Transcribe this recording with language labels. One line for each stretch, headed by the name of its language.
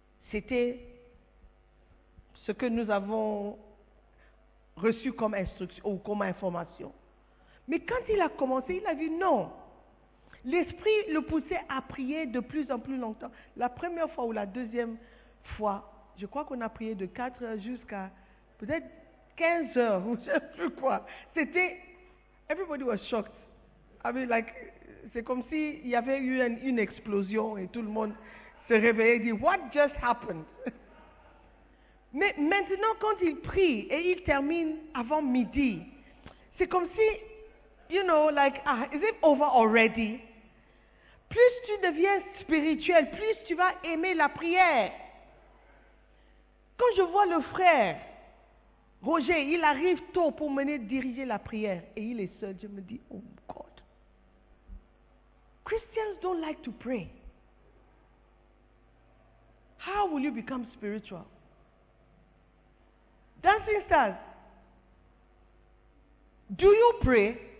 French: C'était ce que nous avons reçu comme instruction ou comme information. Mais quand il a commencé, il a dit non. L'esprit le poussait à prier de plus en plus longtemps. La première fois ou la deuxième fois, je crois qu'on a prié de 4 heures jusqu'à peut-être 15 heures ou je ne sais plus quoi. C'était,
English: everybody was shocked. I mean, like,
French: c'est comme s'il y avait eu une explosion et tout le monde se réveillait et dit,
English: what just happened?
French: Mais maintenant, quand il prie et il termine avant midi, c'est comme si,
English: you know, like, ah, is it over already?
French: Plus tu deviens spirituel, plus tu vas aimer la prière. Quand je vois le frère Roger, il arrive tôt pour mener diriger la prière et il est seul, je me dis,
English: oh God. Christians don't like to pray. How will you become spiritual? Dancing stars, do you pray?